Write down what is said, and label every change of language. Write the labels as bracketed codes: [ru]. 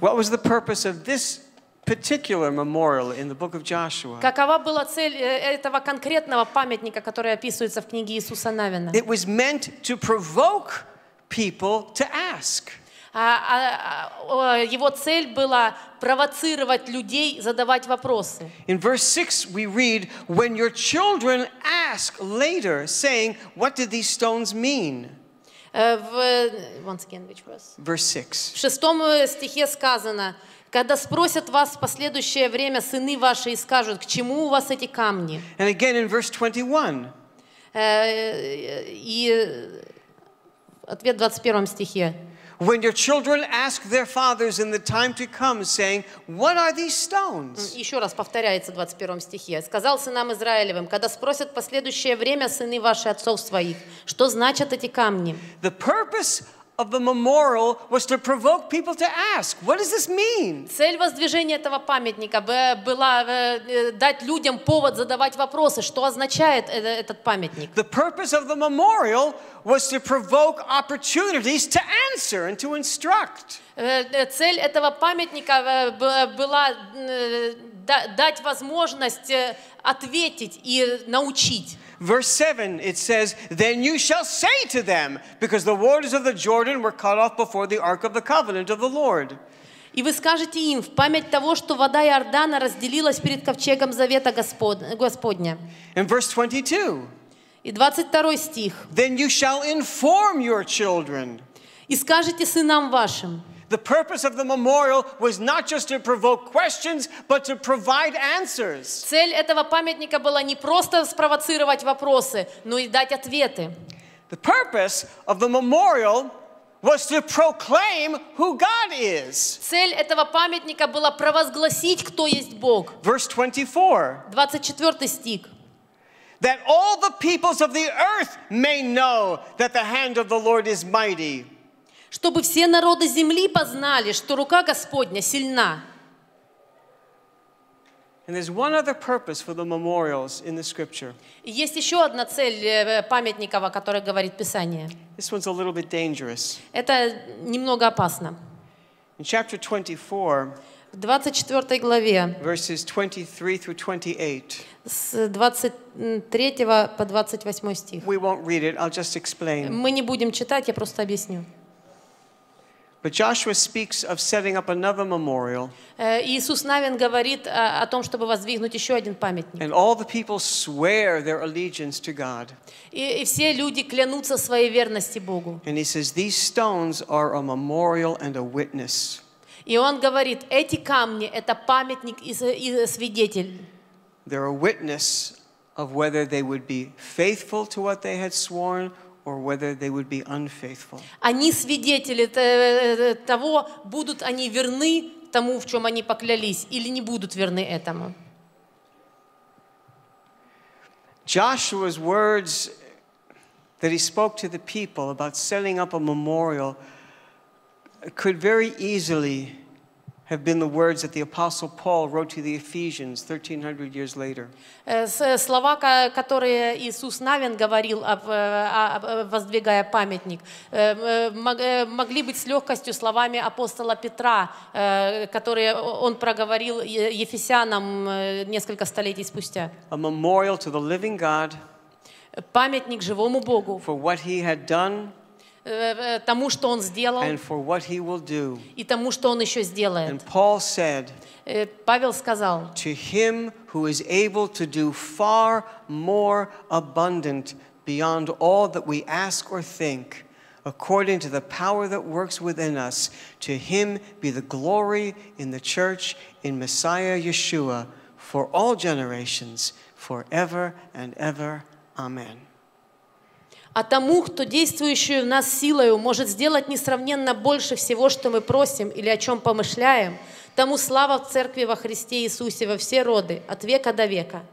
[en] What was the purpose of this particular memorial in the book of Joshua? [ru] Какова была цель этого конкретного памятника, который описывается в книге Иисуса Навина? [en] It was meant to provoke people to ask. [ru] Его цель была провоцировать людей задавать вопросы. [en] In verse 6 we read, "When your children ask later, saying, 'What did these stones mean?'" [ru] В шестом стихе сказано: когда спросят вас в последующее время сыны ваши и скажут, к чему у вас эти камни? [en] And again in verse 21. [ru] И ответ в 21 стихе. [en] When your children ask their fathers in the time to come, saying, "What are these stones?" [ru] Еще раз повторяется в 21 стихе. Сказал сынам Израилевым, когда спросят последующее время сыны ваши отцов своих, что значат эти камни? [en] The purpose of the memorial was to provoke people to ask, "What does this mean?" [ru] Цель воздвижения этого памятника была дать людям повод задавать вопросы, что означает этот памятник. [en] The purpose of the memorial was to provoke opportunities to answer and to instruct. [ru] Цель этого памятника была дать возможность ответить и научить. [en] Verse 7, it says, "Then you shall say to them, because the waters of the Jordan were cut off before the ark of the covenant of the Lord." [ru] И вы скажете им, в память того, что вода Иордана разделилась перед ковчегом завета Господня. [en] In verse 22. [ru] И 22 стих. [en] "Then you shall inform your children." [ru] И скажете сынам вашим. [en] The purpose of the memorial was not just to provoke questions, but to provide answers. [ru] Цель этого памятника была не просто спровоцировать вопросы, но и дать ответы. [en] The purpose of the memorial was to proclaim who God is. [ru] Цель этого памятника была провозгласить, кто есть Бог. [en] Verse 24. [ru] 24 стих. [en] "That all the peoples of the earth may know that the hand of the Lord is mighty." [ru] Чтобы все народы земли познали, что рука Господня сильна. [en] And there's one other purpose for the memorials in the scripture. [ru] Есть еще одна цель памятников, о которой говорит Писание. [en] This one's a little bit dangerous. [ru] Это немного опасно. [en] In chapter 24, [ru] в 24 главе, [en] verses 23 through 28, [ru] с 23 по 28 стих, [en] we won't read it, I'll just explain. [ru] Мы не будем читать, я просто объясню. [en] But Joshua speaks of setting up another memorial. [ru] Иисус Навин говорит о том, чтобы воздвигнуть еще один памятник. [en] And all the people swear their allegiance to God. [ru] И все люди клянутся своей верности Богу. [en] And he says, "These stones are a memorial and a witness." [ru] И он говорит, эти камни это памятник и свидетель. [en] They're a witness of whether they would be faithful to what they had sworn, or whether they would be unfaithful. [ru] Они свидетели того, будут они верны тому, в чем они поклялись, или не будут верны этому. [en] Joshua's words that he spoke to the people about setting up a memorial could very easily have been the words that the apostle Paul wrote to the Ephesians 1300 years later. [ru] Слова, которые Иисус Навин говорил об воздвигая памятник, могли быть с легкостью словами апостола Петра, которые он проговорил Ефесянам несколько столетий спустя. [en] A memorial to the living God. [ru] Памятник живому Богу. [en] For what he had done. [ru] Тому, что он сделал, [en] and for what he will do. [ru] И тому, что он еще сделает. [en] And Paul said, [ru] Павел сказал, [en] "To him who is able to do far more abundant beyond all that we ask or think, according to the power that works within us, to him be the glory in the church, in Messiah Yeshua, for all generations, forever and ever. Amen." [ru] А тому, кто действующую в нас силою может сделать несравненно больше всего, что мы просим или о чем помышляем, тому слава в Церкви во Христе Иисусе во все роды, от века до века.